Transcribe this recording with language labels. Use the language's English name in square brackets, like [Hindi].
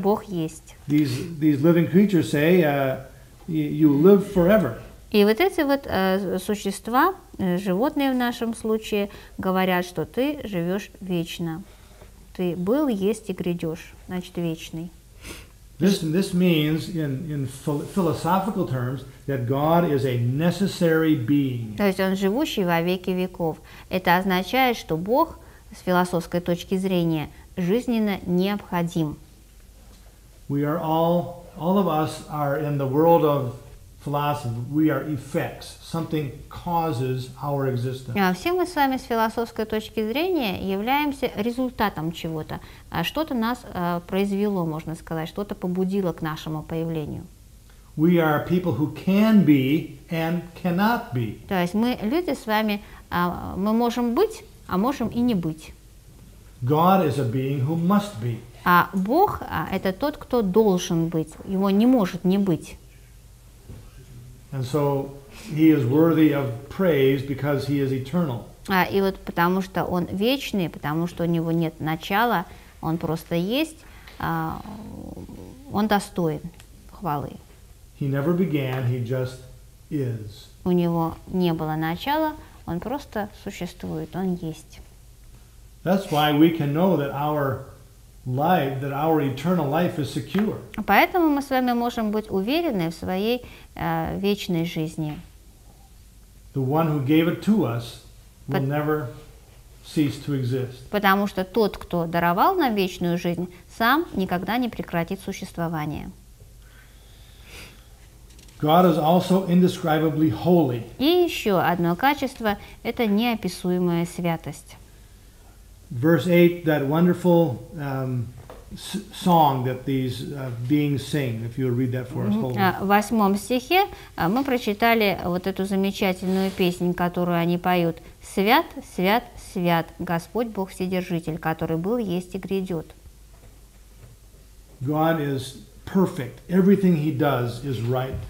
[Russian] Бог есть. [English] These living creatures say, you live forever. [Russian] И вот эти вот существа, животные в нашем случае, говорят, что ты живешь вечно. Ты был, есть и грядешь, значит, вечный. [English] This means in philosophical terms that God is a necessary being. [Russian] То есть он живущий во веки веков. Это означает, что Бог с философской точки зрения жизненно необходим. [English] We are all of us are in the world of philosophy. We are effects. Something causes our existence. [Russian] Все мы с вами с философской точки зрения являемся результатом чего-то. Что-то нас произвело, можно сказать, что-то побудило к нашему появлению. [English] We are people who can be and cannot be. [Russian] То есть мы люди с вами, мы можем быть, а можем и не быть. [English] God is a being who must be. [Russian] А Бог это тот, кто должен быть. Его не может не быть. [English] And so he is worthy of praise because he is eternal. [Russian] И вот потому что он вечный, потому что у него нет начала, он просто есть, он достоин хвалы. [English] He never began, he just is. [Russian] У него не было начала, он просто существует, он есть. [English] That's why we can know that our life, that our eternal life is secure. [Russian] Поэтому мы с вами можем быть уверены в своей вечной жизни. [English] The one who gave it to us will never cease to exist. [Russian] Потому что тот, кто даровал нам вечную жизнь, сам никогда не прекратит существование. [English] God is also indescribably holy. [Russian] И еще одно качество – это неописуемая святость. [English] Verse 8, that wonderful song that these beings sing, if you would read that for us, hold on. [Russian] В восьмом стихе мы прочитали вот эту замечательную песню, которую они поют. «Свят, свят, свят, Господь Бог Вседержитель, который был, есть и грядет». [English] God is perfect. Everything he does is right.